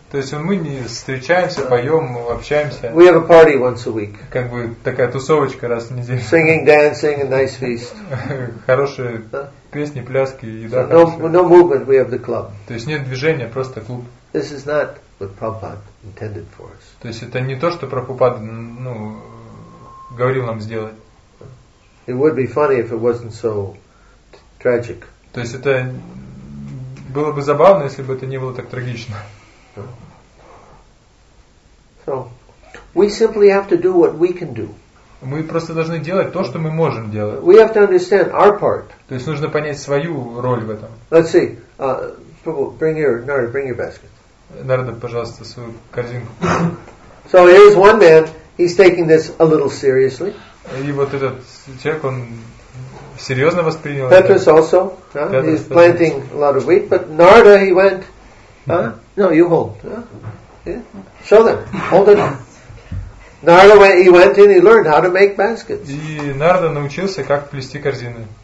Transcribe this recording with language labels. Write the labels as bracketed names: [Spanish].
[Russian] То есть мы не встречаемся, поем, общаемся. [English] We have a party once a week. [Russian] Как бы такая тусовочка раз в неделю. [English] Singing, dancing, a nice feast. [Russian] Хорошие песни, пляски, еда. [English] No movement. We have the club. [Russian] То есть нет движения, просто клуб. [English] This is not what Prabhupada intended for us. [Russian] То есть это не то, что Прабхупада ну говорил нам сделать. [English] It would be funny if it wasn't so tragic. [Russian] То есть это было бы забавно, если бы это не было так трагично. [English] So, we simply have to do what we can do. [Russian] Мы просто должны делать то, что мы можем делать. [English] We have to understand our part. [Russian] То есть нужно понять свою роль в этом. [English] Let's see. Bring your basket. [Russian] Нарада, пожалуйста, свою корзинку. [English] So here's one man, he's taking this a little seriously. [Russian] И вот этот человек, он серьезно воспринял это. [English] Petrus also, he's planting a lot of wheat, but Narda, he went, no, you hold. Show them, hold it. Narda went, he went and he learned how to make baskets. [Russian] И Нарда научился, как плести корзины.